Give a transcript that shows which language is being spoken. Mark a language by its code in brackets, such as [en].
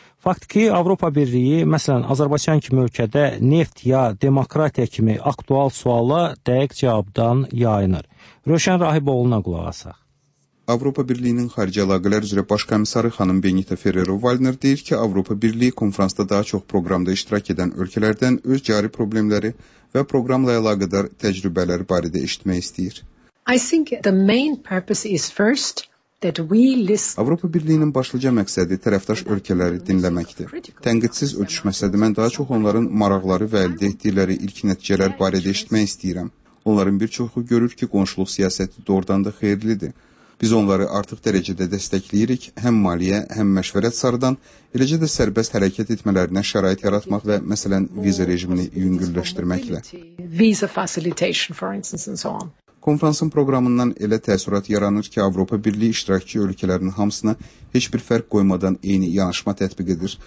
[az] Fakt ki, Avropa Birliyi, məsələn, Azərbaycan kimi ölkədə neft ya demokratiya kimi aktual suala dəqiq cavabdan yayınır. Röşən Rahiboğluna qulaq asaq. Avropa Birliyinin xarici əlaqələr üzrə baş komissarı xanım Benita Ferrero-Waldner deyir ki, Avropa Birliyi konfransda daha çox proqramda iştirak edən ölkələrdən öz cari problemləri və proqramla əlaqədar təcrübələri barədə eşitmək istəyir. [en] I think the main purpose is first that we listen. [az] Avropa Birliyinin başlıca məqsədi tərəfdaş ölkələri dinləməkdir. Tənqidsiz ölçüşməsədə mən daha çox onların maraqları və əldə etdikləri ilk nəticələr barədə eşitmək istəyirəm. Onların bir çoxu görür ki, qonşuluq siyasəti doğrudan da xeyirlidir. Biz onları artıq dərəcədə dəstəkləyirik, həm maliyyə, həm məşvərət sarıdan, eləcə də sərbəst hərəkət etmələrinə şərait yaratmaq və məsələn viza rejimini yüngülləşdirməklə. Konfransın proqramından elə təəssürat yaranır ki, Avropa Birliyi iştirakçı ölkələrinin hamısına heç bir fərq qoymadan eyni yanaşma tətbiq edir.